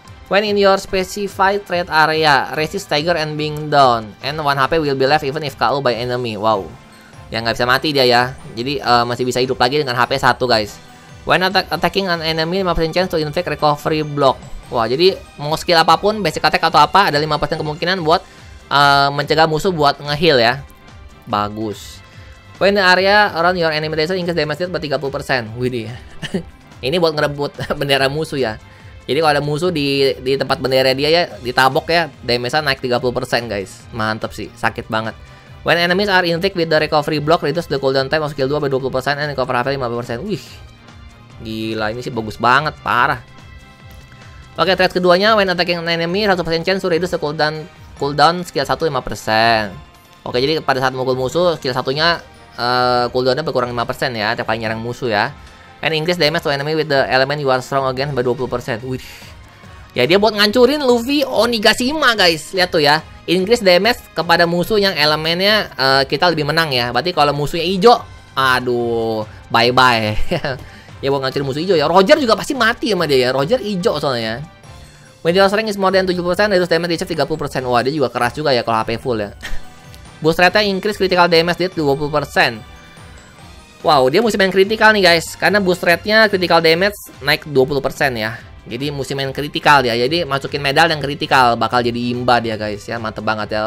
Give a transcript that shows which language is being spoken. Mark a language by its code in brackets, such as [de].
[en] When in your specified threat area, resist stagger and being down, and 1 HP will be left even if KO by enemy. [id] Wow. Ya nggak bisa mati dia ya. Jadi masih bisa hidup lagi dengan HP 1, guys. [en] When attacking an enemy, 5% chance to inflict recovery block. [id] Wah, jadi mau skill apapun, basic attack atau apa, ada 5% kemungkinan buat mencegah musuh buat nge-heal ya. Bagus. [en] When the area around your enemy laser increase damage rate by 30%. [id] Widih. Ini buat ngerebut bendera musuh ya. Jadi kalau ada musuh di tempat bendera dia ya, ditabok ya, damage-nya naik 30%, guys. Mantep sih, sakit banget. [en] When enemies are inflict with the recovery block, reduce the cooldown time of skill 2 by 20% and recover HP 50%. [id] Wih. Gila, ini sih bagus banget, parah. Oke, trait keduanya, [en] when attacking an enemy, 100% chance to reduce the cooldown skill 1 5%. [id] Oke, jadi pada saat mukul musuh, skill 1-nya cooldown-nya berkurang 5% ya, tiap kali nyerang musuh ya. [en] And increase damage to enemy with the element you are strong against by 20%. [id] Wih. Ya, dia buat ngancurin Luffy Onigashima, guys. Lihat tuh ya. [en] Increase damage [id] kepada musuh yang elemennya kita lebih menang ya. Berarti kalau musuhnya hijau, aduh, bye-bye. Ya, buat ngancurin musuh hijau ya. Roger juga pasti mati sama dia ya. Roger hijau soalnya. [en] When your strength is more than 70%, reduce damage reserve 30%. [id] Wah, dia juga keras juga ya kalau HP full ya. Boost rate-nya [en] increase critical damage rate 20%. [id] Wow, dia mesti main critical nih, guys. Karena boost rate-nya critical damage naik 20% ya. Jadi mesti main critical ya. Jadi masukin medal yang critical bakal jadi imba dia, guys. Ya, mantep banget ya.